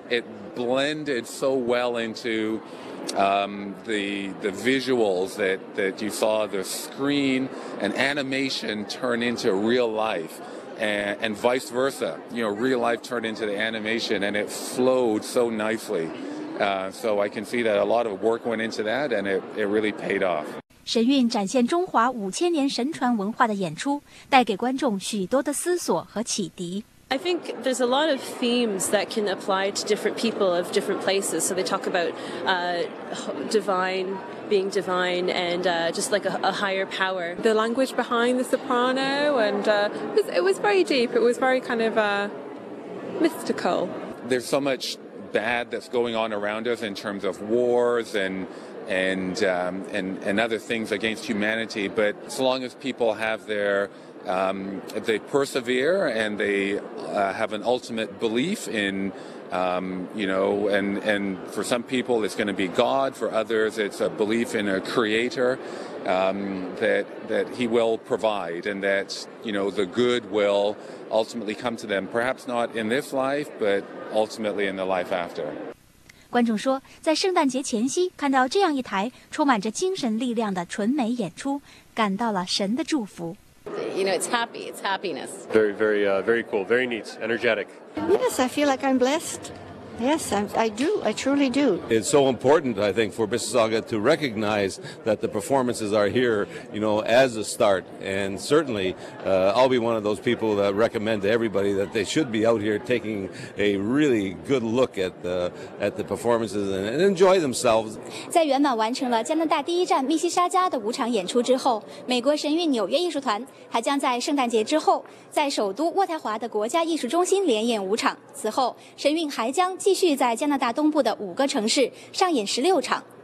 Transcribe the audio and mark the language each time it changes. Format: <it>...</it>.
<en>It blended so well into the visuals that you saw the screen and animation turn into real life and vice versa. You know, real life turned into the animation and it flowed so nicely. So I can see that a lot of work went into that and it really paid off.</en> <zh>神韵展现中华五千年神传文化的演出，带给观众许多的思索和启迪。</zh> <en>I think there's a lot of themes that can apply to different people of different places. So they talk about divine, being divine, and just like a higher power. The language behind the soprano, and it was very deep. It was very kind of mystical. There's so much bad that's going on around us in terms of wars and other things against humanity, but as long as people have their, they persevere and they have an ultimate belief in, you know, and for some people it's going to be God, for others it's a belief in a creator that he will provide and that, you know, the good will ultimately come to them, perhaps not in this life, but ultimately in the life after.</en> <zh>观众说，在圣诞节前夕看到这样一台充满着精神力量的纯美演出，感到了神的祝福。</zh> <en>You know, it's happy. It's happiness. Very, very, very cool. Very neat. Energetic. Yes, I feel like I'm blessed. Yes, I do. I truly do. It's so important, I think, for Mississauga to recognize that the performances are here, you know, as a start. And certainly, I'll be one of those people that recommend to everybody that they should be out here taking a really good look at the performances and enjoy themselves.</en> <zh>在圆满完成了加拿大第一站密西沙加的五场演出之后，美国神韵纽约艺术团还将在圣诞节之后，在首都渥太华的国家艺术中心连演五场。此后，神韵还将继续在加拿大东部的五个城市上演16场。</zh>